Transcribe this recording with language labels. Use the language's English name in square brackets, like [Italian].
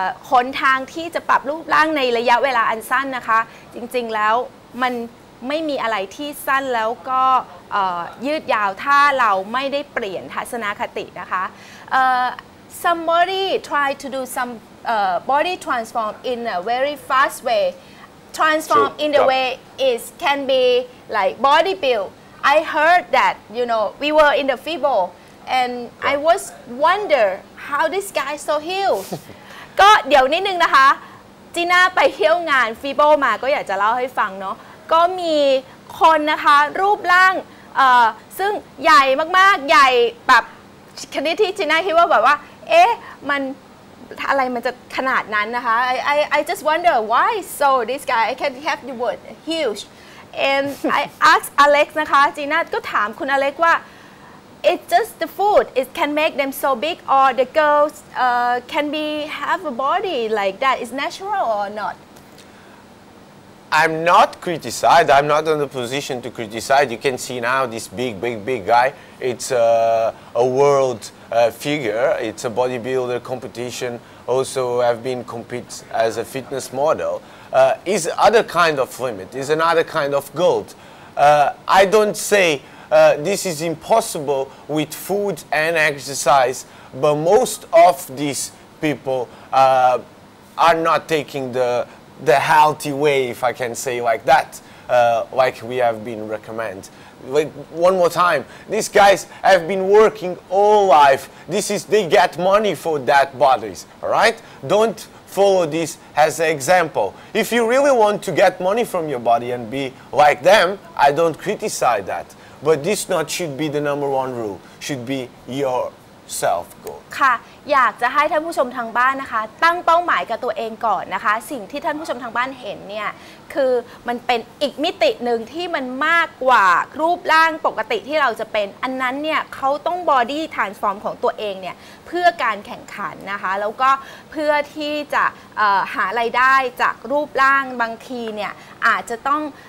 [Thai] หนทางที่จะปรับรูปร่างในระยะเวลาอันสั้นนะคะจริงๆแล้วมันไม่มีอะไรที่สั้นแล้วก็ยืดยาวถ้าเราไม่ได้เปลี่ยนทัศนคตินะคะ [English] somebody try to do some body transform in a very fast wayTransform in the way is can be like body build. I heard that, you know, we were in the FIBO and I was wonder how this guy so huge. [Thai] ก็เดี๋ยวนิดนึงนะคะจีน่าไปเที่ยวงาน FIBO มาก็อยากจะเล่าให้ฟังเนาะก็มีคนนะคะรูปร่าง ซึ่งใหญ่มากๆใหญ่แบบคณิตที่จีน่าคิดว่าแบบว่าเอ๊ะมันอะไรมันจะขนาดนั้นนะคะ [English] I just wonder why so this guy I can have the word huge and I ask Alex [Thai] นะคะจีน่าก็ถามคุณ Alex ว่า [English] it's just the food it can make them so big or the girls can be have a body like that is natural or not I'm not criticized I'm not in the position to criticize you can see now this big guy it's a worldfigure it's a bodybuilder competition also have been compete as a fitness model is other kind of limit is another kind of goal I don't say this is impossible with food and exercise but most of these people are not taking the healthy way if I can say like that like we have been recommend like one more time these guys have been working all life this is they get money for that bodies all right don't follow this as an example if you really want to get money from your body and be like them I don't criticize that but this not should be the number one rule should be yourself goal [Thai] ค่ะอยากจะให้ท่านผู้ชมทางบ้านนะคะตั้งเป้าหมายกับตัวเองก่อนนะคะสิ่งที่ท่านผู้ชมทางบ้านเห็นเนี่ยคือมันเป็นอีกมิตินึงที่มันมากกว่ารูปร่างปกติที่เราจะเป็นอันนั้นเนี่ยเขาต้องบอดี้ทรานส์ฟอร์มของตัวเองเนี่ยเพื่อการแข่งขันนะคะแล้วก็เพื่อที่จะหารายได้จากรูปร่างบางทีเนี่ยอาจจะต้อง